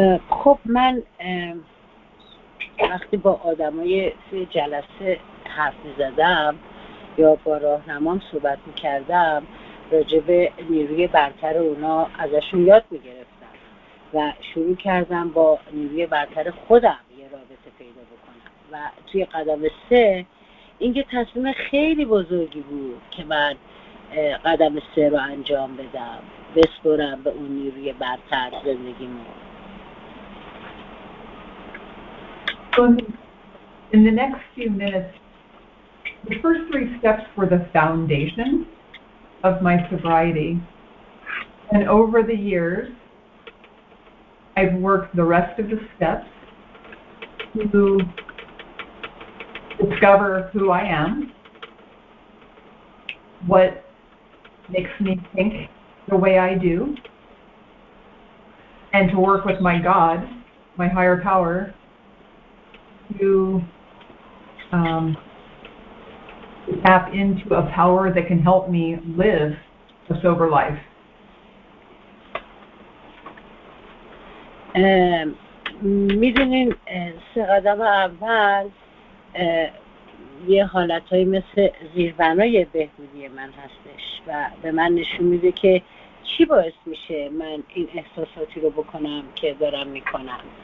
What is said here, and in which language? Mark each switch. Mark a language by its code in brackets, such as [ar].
[fa] خب من وقتی با آدمای توی جلسه حرف می‌زدم یا با راهنمام صحبت می‌کردم راجع به نیروی برتر اونا ازشون یاد می‌گرفتم و شروع کردم با نیروی برتر خودم یه رابطه پیدا بکنم و توی قدم سه این یه تصمیم خیلی بزرگی بود که من قدم سه رو انجام بدم، بسپرم به اون نیروی برتر زندگیمو. [en] In the next few minutes, the first three steps were the foundation of my sobriety. And over the years, I've worked the rest of the steps to discover who I am, what makes me think the way I do, and to work with my God, my higher power, to tap into a power that can help me live a sober life. [fa] میدونین سه قدم اول یه حالتهای مثل زیربنای بهبودی من هستش و به من نشون میده که چی باعث میشه من این احساساتی رو بکنم که دارم میکنم.